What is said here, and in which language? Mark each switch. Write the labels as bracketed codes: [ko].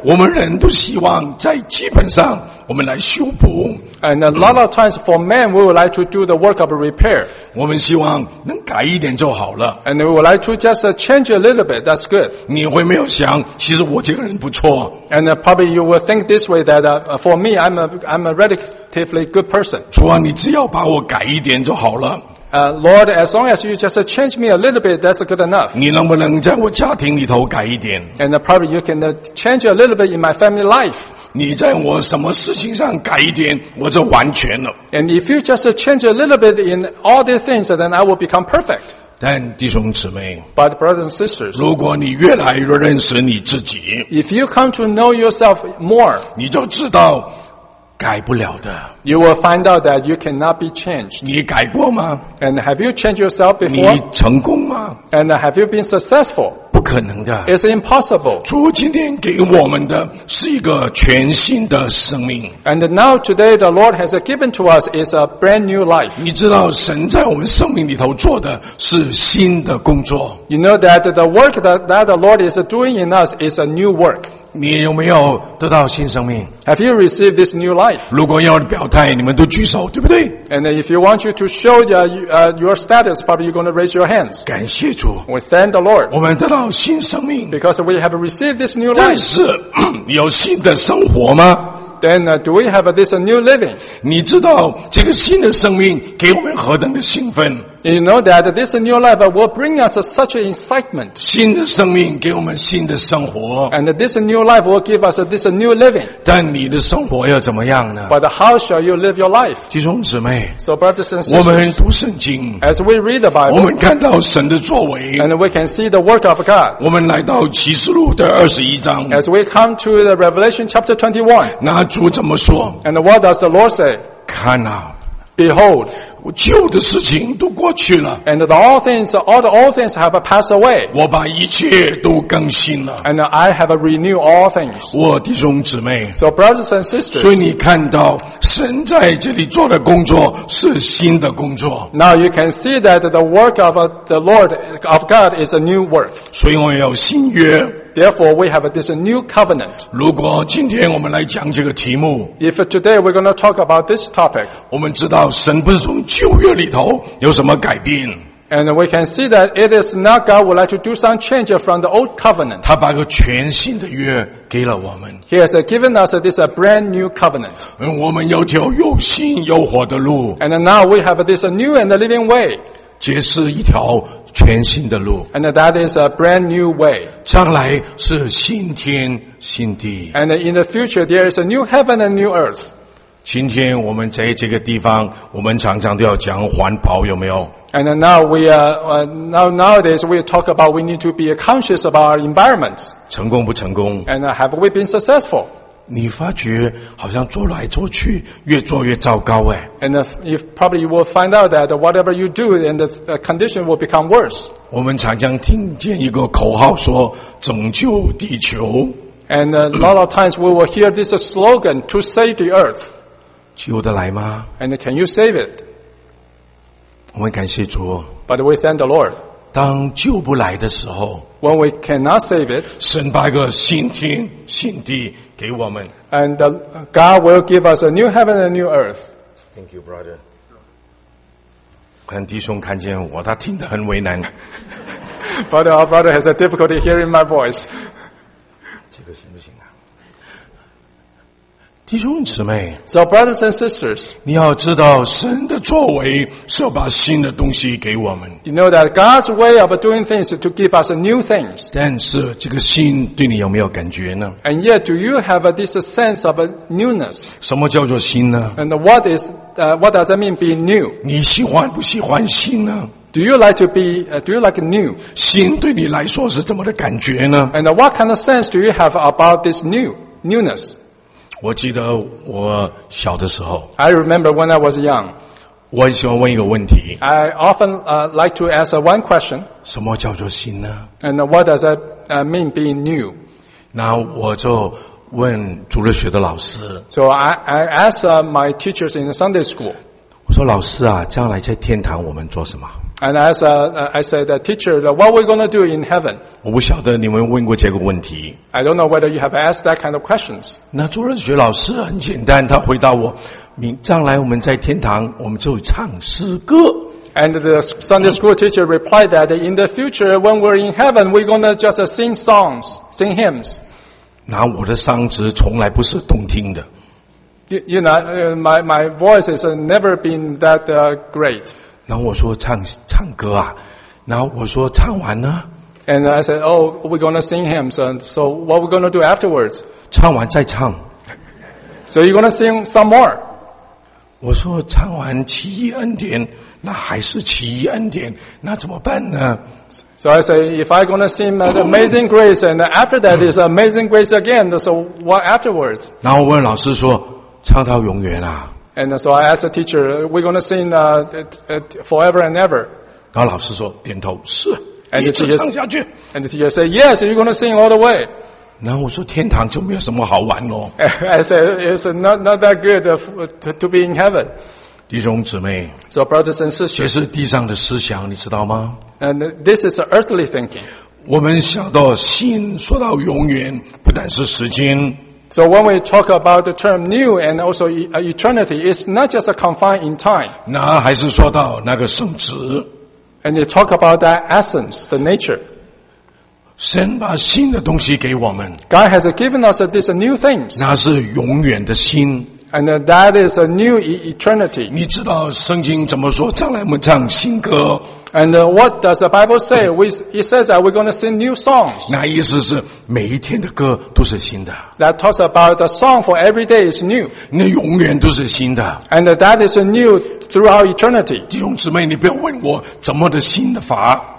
[zh] 我们人都希望在基本上我们来修补。 [en] And a lot of times for men, we would like to do the work of a repair. [zh] 我们希望能改一点就好了。 [en] And we would like to just change a little bit. That's good. [zh] 你会没有想，其实我这个人不错。 [en] And probably you will think this way that for me, I'm a relatively good person. [zh] 主啊，你只要把我改一点就好了。 [en] Lord, as long as you just change me a little bit, that's good enough. [zh] 你能不能在我家庭里头改一点？ [en] And probably you can change a little bit in my family life. [zh] 你在我什么事情上改一点，我就完全了。 [en] And if you just change a little bit in all the things, then I will become perfect. [zh] 但弟兄姊妹， [en] But brothers and sisters, [zh] 如果你越来越认识你自己， [en] If you come to know yourself more, [zh] 你就知道改不了的。 [en] You will find out that you cannot be changed. [zh] 你改过吗？ [en] And have you changed yourself before? [zh] 你成功吗？ [en] And have you been successful? [zh] 不可能的。 [en] It's impossible. [zh] 主今天给我们的是一个全新的生命。 [en] And now today the Lord has given to us is a brand new life. [zh] 你知道神在我们生命里头做的是新的工作。 [en] You know that the work that the Lord is doing in us is a new work. [zh] 你有没有得到新生命？ [en] Have you received this new life? [zh] 如果要表态，你们都举手，对不对？ [en] And if you want you to show your status, probably you're going to raise your hands. [zh] 感谢主。 [en] We thank the Lord. [zh] 我们得到新生命。 [en] Because we have received this new life. [zh] 但是，有新的生活吗？ [en] Then do we have this new living? [zh] 你知道这个新的生命给我们何等的兴奋？ [en] You know that this new life will bring us such excitement. [zh] 新的生命给我们新的生活。 [en] And this new life will give us this new living. [zh] 但你的生活要怎么样呢？ [en] But how shall you live your life? [zh] 弟兄姊妹， [en] So brothers and sisters, [zh] 我们读圣经， [en] As we read the Bible, [zh] 我们看到神的作为， [en] And we can see the work of God. [zh] 我们来到启示录的二十一章， [en] As we come to the Revelation chapter 21. [zh] 那主怎么说？ [en] And what does the Lord say? [zh] 看啊， [en] Behold, [zh] 旧的事情都过去了。 [en] And all the old things have passed away. [zh] 我把一切都更新了。 [en] And I have renewed all things. [zh] 我弟兄姊妹。 [en] So brothers and sisters. [zh] 所以你看到神在这里做的工作是新的工作。 [en] Now you can see that the work of the Lord of God is a new work. [zh] 所以我们要新约。 [en] Therefore, we have this new covenant. [zh] 如果今天我们来讲这个题目。 [en] If today we're going to talk about this topic. [zh] 我们知道神不是从旧约里头有什么改变。 [en] And we can see that it is not God would like to do some change from the old covenant. [zh] 他把个全新的约给了我们。 [en] He has given us this brand new covenant. [zh] 我们有条又新又活的路。 [en] And now we have this new and living way. [zh] 这是一条全新的路。 [en] And that is a brand new way. [zh] 将来是新天新地。 [en] And in the future, there is a new heaven and new earth. [zh] 今天我们在这个地方，我们常常都要讲环保，有没有 [en] ？And now we are nowadays we talk about we need to be conscious about our environment. [zh] 成功不成功 [en] ？And have we been successful? [zh] 你发觉好像做来做去，越做越糟糕哎。 [en] And if probably you will find out that whatever you do, and the condition will become worse. [zh] 我们常常听见一个口号说：“拯救地球。 [en] ”And a lot of times we will hear this slogan to save the earth. [zh] 救得来吗 [en] ？And can you save it? [zh] 我们感谢主。 [en] But we thank the Lord. [zh] 当救不来的时候 [en] ，When we cannot save it, [zh] 神把一个新天新地给我们。 [en] And God will give us a new heaven and a new earth. Thank you, brother. [zh] 看弟兄看见我，他听得很为难。 [en] But our brother has a difficulty hearing my voice. [zh] 这个行不行？弟兄姊妹 [en] ，So brothers and sisters， [zh] 你要知道神的作为是要把新的东西给我们。 [en] You know that God's way of doing things is to give us new things。 [zh] 但是这个新对你有没有感觉呢 [en] ？And yet, do you have this sense of newness？ [zh] 什么叫做新呢 [en] ？And what is what does that mean being new？ [zh] 你喜欢不喜欢新呢 [en] ？Do you like to be do you like new？ [zh] 新对你来说是怎么的感觉呢 [en] ？And what kind of sense do you have about this newness？ [zh] 我记得我小的时候 [en] I remember when I was young. [zh] 我很喜欢问一个问题 [en] I often like to ask one question. [zh] 什么叫做新呢 [en] And what does that mean being new? [zh] 那我就问主日学的老师 [en] So I asked my teachers in Sunday school. [zh] 我说老师啊将来在天堂我们做什么 [en] And as I said, teacher, what are we going to do in heaven? [zh] 我不晓得你们问过这个问题 [en] I don't know whether you have asked that kind of questions. [zh] 那主任学老师很简单，他回答我：，将来我们在天堂，我们就唱诗歌。 [en] And the Sunday school teacher replied that in the future, when we're in heaven, we're going to just sing songs, sing hymns. [zh] 那我的嗓子从来不是动听的。 [en] You know, my voice has never been that great. [zh] 那我说唱歌啊，那我说唱完呢。 [en] And I said, "Oh, we're gonna sing hymns. So, what we're gonna do afterwards?" [zh] 唱完再唱。 [en] So you're gonna sing some more? [zh] 我说唱完奇异恩典，那还是奇异恩典，那怎么办呢 [en] ？So I say, if I'm gonna sing that Amazing Grace, and after that is Amazing Grace again, so what afterwards? [zh] 然后我问老师说，唱到永远啊 [en] ？And so I asked the teacher, "We're gonna sing forever and ever?" [zh] 然后老师说，点头是。 [en] And the, teacher, and the teacher said, "Yes, you're going to sing all the way." [zh] 然后我说天堂就没有什么好玩咯。 [en] I said, "It's not that good to be in heaven." [zh] 弟兄姊妹 [en] ，So brothers and sisters, [zh] 这是地上的思想，你知道吗 [en] ？And this is earthly thinking. [zh] 我们想到新，说到永远，不但是时间。 [en] So when we talk about the term new and also eternity, it's not just confined in time. [zh] 那还是说到那个圣旨。 [en] And you talk about that essence, the nature. [zh] 神把新的东西给我们。 [en] God has given us these new things. [zh] 那是永远的新。 [en] And that is a new eternity. [zh] 你知道圣经怎么说？将来我们唱新歌。 [en] And what does the Bible say? It says that we're going to sing new songs. [zh] 那意思是每一天的歌都是新的。 [en] That talks about the song for every day is new. [zh] 那永远都是新的。 [en] And that is new throughout eternity. [zh] 弟兄姊妹，你不要问我怎么的新的法。